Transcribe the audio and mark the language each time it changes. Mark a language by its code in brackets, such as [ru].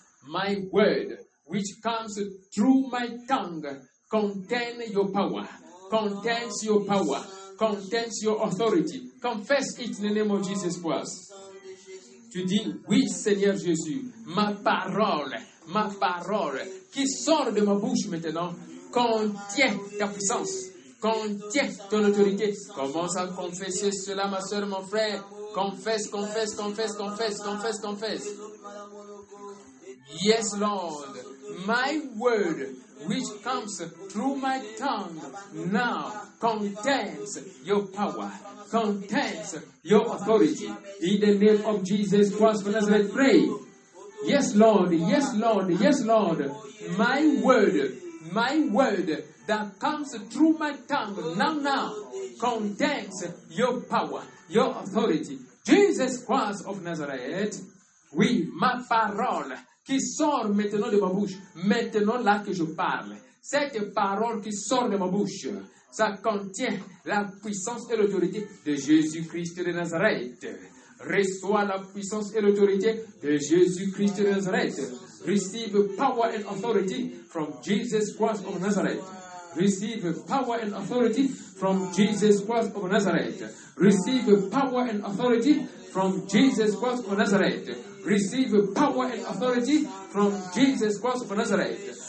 [en] My word, which comes through my tongue, contains your power. Contains your power. Contains your authority. Confess it in the name of Jesus Christ. [fr] Tu dis, oui, Seigneur Jésus, ma parole qui sort de ma bouche maintenant, contient ta puissance, contient ton autorité. Commence à confesser cela, ma soeur, mon frère. Confesse, confesse, confesse, confesse, confesse, confesse. [en] Yes, Lord, my word, which comes through my tongue now, contains your power, contains your authority. In the name of Jesus Christ of Nazareth, pray. Yes, Lord, yes, Lord, yes, Lord. My word, My word that comes through my tongue now contains your power, your authority. [fr] Jesus Christ of Nazareth, oui, ma parole qui sort maintenant de ma bouche, maintenant là que je parle, cette parole qui sort de ma bouche, ça contient la puissance et l'autorité de Jésus-Christ de Nazareth. Reçois la puissance et l'autorité de Jésus-Christ de Nazareth. [en] Receive power and authority from Jesus Christ of Nazareth. Receive power and authority from Jesus Christ of Nazareth. Receive power and authority from Jesus Christ of Nazareth. Receive power and authority from Jesus Christ of Nazareth.